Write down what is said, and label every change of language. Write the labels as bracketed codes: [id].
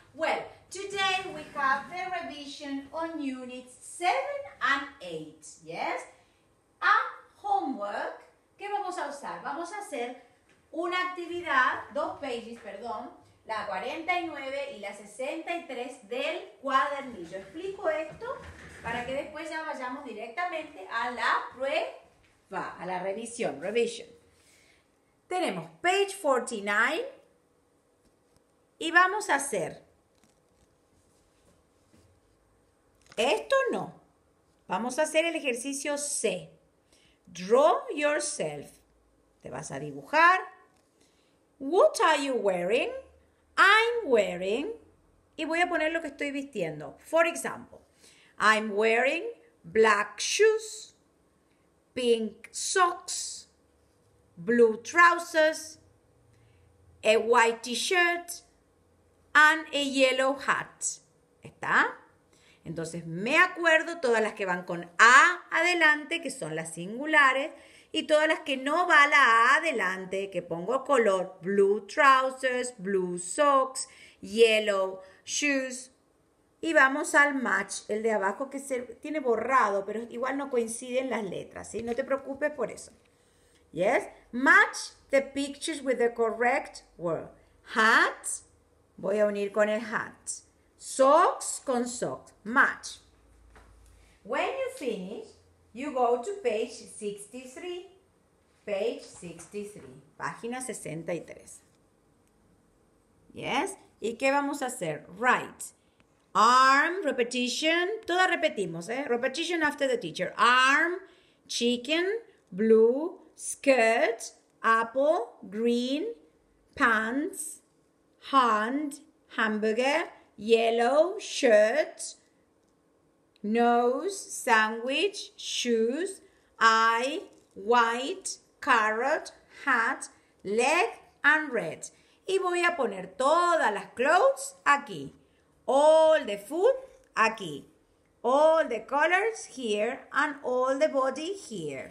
[en] Well, today we have the revision on units 7 and 8. Yes? A homework. [es] ¿Qué vamos a usar? Vamos a hacer una actividad, dos pages, perdón, la 49 y la 63 del cuadernillo. Explico esto para que después ya vayamos directamente a la prueba, a la revisión, revision. Tenemos page 49 y vamos a hacer esto, no. Vamos a hacer el ejercicio C. [en] Draw yourself. [es] Te vas a dibujar. [en] What are you wearing? I'm wearing. [es] Y voy a poner lo que estoy vistiendo. [en] For example, I'm wearing black shoes, pink socks, blue trousers, a white t-shirt, and a yellow hat. [es] ¿Está? Entonces, me acuerdo todas las que van con A adelante, que son las singulares, y todas las que no va la A adelante, que pongo color, [en] blue trousers, blue socks, yellow shoes, [es] y vamos al match, el de abajo que se tiene borrado, pero igual no coinciden las letras, ¿sí? No te preocupes por eso. [en] Yes, match the pictures with the correct word. [es] Hat, voy a unir con el hat. Socks con socks, match. [en] When you finish, you go to page 63. [es] Page 63, página 63. Yes, ¿y qué vamos a hacer? Right. [en] Arm, repetition, [es] toda repetimos, ¿eh? [en] Repetition after the teacher. Arm, chicken, blue, skirt, apple, green, pants, hand, hamburger, yellow, shirt, nose, sandwich, shoes, eye, white, carrot, hat, leg, and red. [es] Y voy a poner todas las clothes aquí. [en] All the food aquí. All the colors here and all the body here.